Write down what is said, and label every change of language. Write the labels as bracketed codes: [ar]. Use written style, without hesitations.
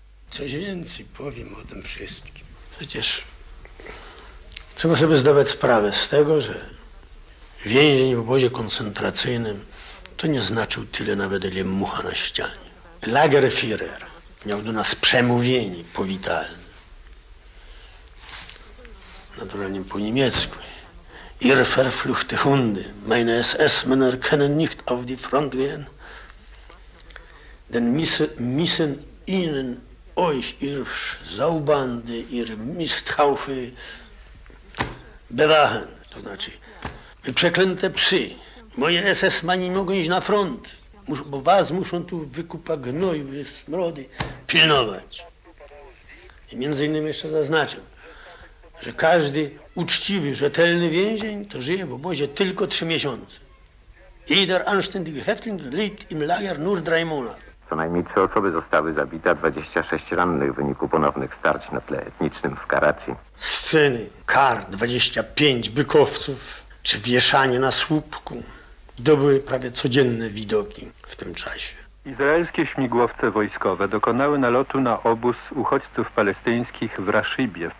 [pl] Coś więcej powiem o tym wszystkim. Przecież trzeba sobie zdawać sprawę z tego, że więzień w obozie koncentracyjnym to nie znaczył tyle nawet, ile mucha na ścianie. Lagerführer miał do nas przemówienie powitalne. Naturalnie po niemiecku. [de] Ihr verfluchte Hunde, meine SS-Männer können nicht auf die Front gehen, denn müssen ihnen euch, ihr Saubande, ihr Misthaufe, bewachen. [pl] To znaczy, wy przeklęte psy, moje SS-mani nie mogą iść na front, bo was muszą tu wykupa gnoju, smrody, pilnować. I między innymi jeszcze zaznaczę, że każdy uczciwy, rzetelny więzień to żyje w obozie tylko 3 miesiące. [de] Jeder anständige Häftling liegt im Lager nur 3 Monate. [pl] Co najmniej 3 osoby zostały zabite, a 26 rannych w wyniku ponownych starć na tle etnicznym w Karacji. Sceny kar 25 bykowców czy wieszanie na słupku to były prawie codzienne widoki w tym czasie. Izraelskie śmigłowce wojskowe dokonały nalotu na obóz uchodźców palestyńskich w Raszybie.